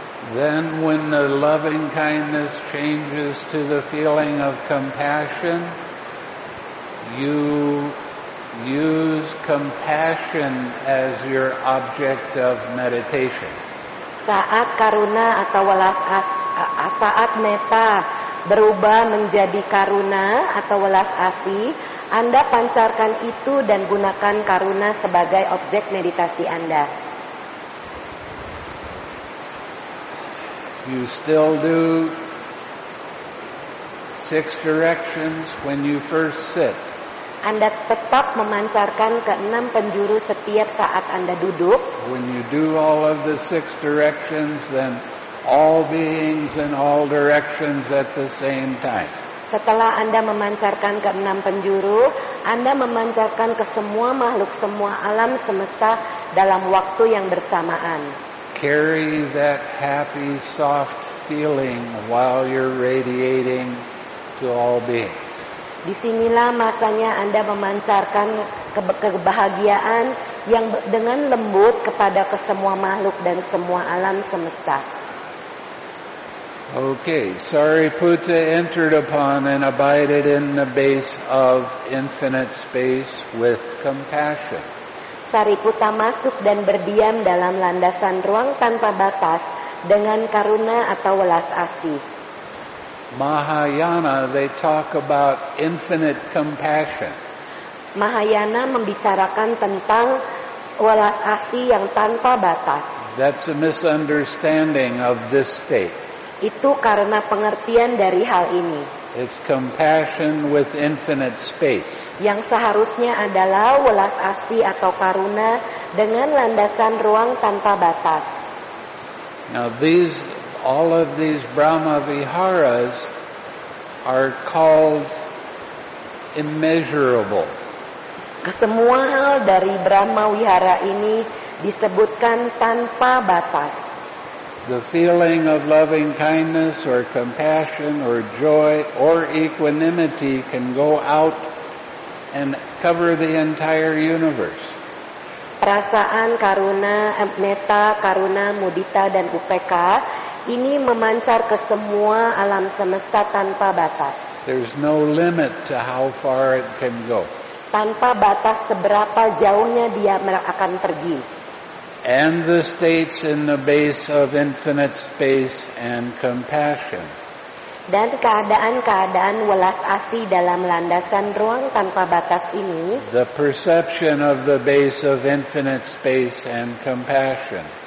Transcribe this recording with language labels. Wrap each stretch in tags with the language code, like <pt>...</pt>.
<en>Then when the loving kindness changes to the feeling of compassion, you use compassion as your object of meditation.</en> <id>Saat karuna atau welas asih, saat metta berubah menjadi karuna atau welas asih, Anda pancarkan itu dan gunakan karuna sebagai objek meditasi Anda.</id> <en>You still do six directions when you first sit.</en> <id>Anda tetap memancarkan ke enam penjuru setiap saat Anda duduk.</id> <en>When you do all of the six directions, then all beings in all directions at the same time.</en> <id>Setelah Anda memancarkan ke enam penjuru, Anda memancarkan ke semua makhluk, semua alam semesta dalam waktu yang bersamaan.</id> <en>Carry that happy, soft feeling while you're radiating to all beings.</en> <id>Disinilah masanya Anda memancarkan kebahagiaan yang dengan lembut kepada kesemua makhluk dan semua alam semesta.</id> <en>Okay, Sariputta entered upon and abided in the base of infinite space with compassion.</en> <id>Sariputta masuk dan berdiam dalam landasan ruang tanpa batas dengan karuna atau welas asih.</id> <en>Mahayana, they talk about infinite compassion.</en> <id>Mahayana membicarakan tentang welas asih yang tanpa batas.</id> <en>That's a misunderstanding of this state.</en> <id>Itu karena pengertian dari hal ini.</id> <en>It's compassion with infinite space.</en> <id>Yang seharusnya adalah welas asih atau karuna dengan landasan ruang tanpa batas.</id> <en>Now these, all of these Brahma Viharas are called immeasurable.</en> <id>Kesemua hal dari Brahma Vihara ini disebutkan tanpa batas.</id> <en>The feeling of loving kindness or compassion or joy or equanimity can go out and cover the entire universe.</en> <id>Perasaan karuna, metta, karuna, mudita, dan upekkha ini memancar ke semua alam semesta tanpa batas.</id> <en>There's no limit to how far it can go.</en> <id>tanpa batas seberapa jauhnya dia akan pergi.</id> <en>And the states in the base of infinite space and compassion.</en> <id>Dan keadaan-keadaan welas asih dalam landasan ruang tanpa batas ini.</id> <en>The perception of the base of infinite space and compassion.</en>